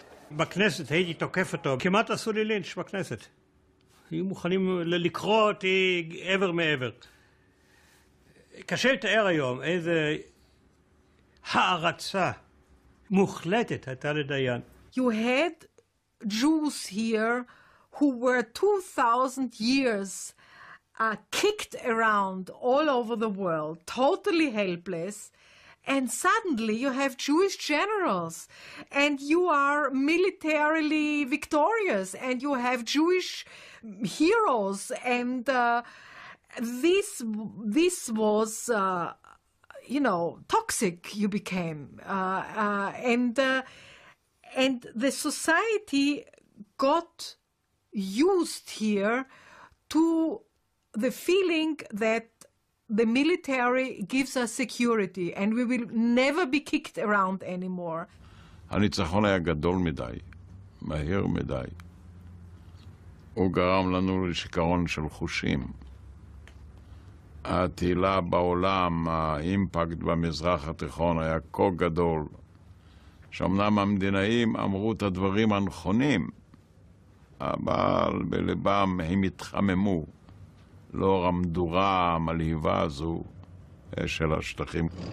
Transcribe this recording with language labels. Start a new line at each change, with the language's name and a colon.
Hebrew: בכנסת הייתי תוקף אותו, כמעט עשו לי לינץ' בכנסת. היו מוכנים לקרוא אותי עבר מעבר. קשה לתאר היום איזה הערצה מוחלטת הייתה לדיין.
English: You had Jews here who were 2,000 years kicked around all over the world, totally helpless, and suddenly you have Jewish generals, and you are militarily victorious, and you have Jewish heroes, and this was, you know, toxic you became. And the society got used here to the feeling that the military gives us security and we will never be kicked around anymore.
Hebrew: הניצחון היה גדול מדי, מהיר מדי. הוא גרם לנו לשיכרון של חושים. התהילה בעולם, האימפקט במזרח התיכון היה כה גדול, שאומנם המדינאים אמרו את הדברים הנכונים, אבל בלבם הם התחממו לאור המדורה המלהיבה הזו של השטחים.